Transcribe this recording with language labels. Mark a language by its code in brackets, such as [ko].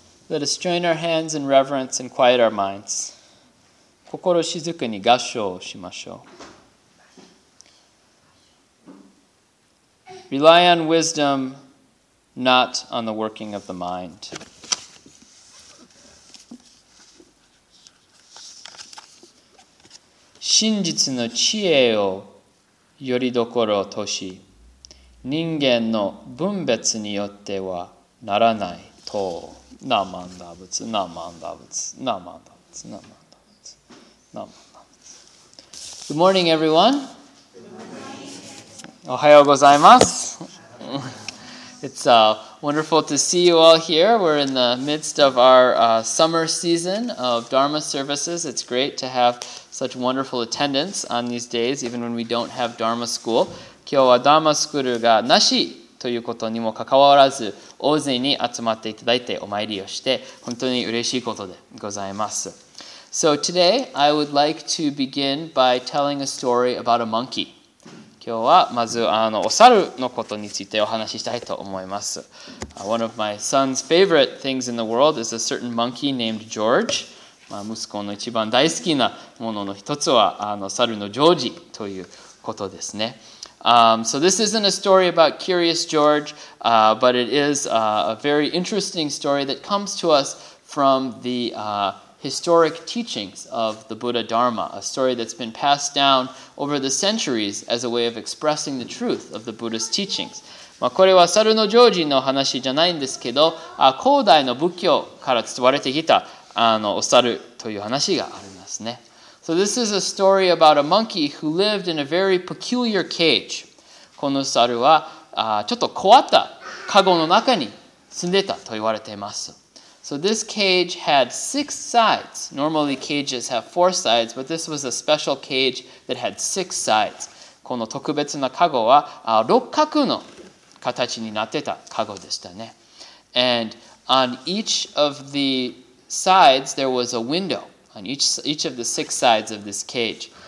[en] Let us join our hands in reverence and quiet our minds. [ja] 心静かに合掌をしましょう。 [en] Rely on wisdom, not on the working of the mind. [ja] 真実の知恵をよりどころとし、人間の分別によってはならないと。ナマンダブツ、ナマンダブツ、ナマンダブツ、ナマンダブツ、ナマンダブツ。 [en] Good morning, everyone. Good morning. [ja] おはようございます。 [en] It's wonderful to see you all here. We're in the midst of our summer season of Dharma services. It's great to have such wonderful attendance on these days, even when we don't have Dharma school. [ja] 今日はダーマスクールがなしということにもかかわらず大勢に集まっていただいてお参りをして本当に嬉しいことでございます。 [en] So today I would like to begin by telling a story about a monkey. [ja] 今日はまずお猿のことについてお話ししたいと思います。 [en] One of my son's favorite things in the world is a certain monkey named George. [ja] 息子の一番大好きなものの一つは猿のジョージということですね。 [en] So this isn't a story about Curious George, but it is a very interesting story that comes to us from the historic teachings of the Buddha Dharma, a story that's been passed down over the centuries as a way of expressing the truth of the Buddha's teachings. [ja] まあこれは猿のジョージの話じゃないんですけど、古代の仏教から伝われてきたお猿という話がありますね。 [en] So this is a story about a monkey who lived in a very peculiar cage. [ja] この猿はちょっと壊ったカゴの中に住んでたと言われています。 [en] So this cage had six sides. Normally cages have four sides, but this was a special cage that had six sides. [ja] この特別なカゴは六角の形になってたカゴでしたね。 [en] And on each of the sides there was a window. On each of the six sides of this cage.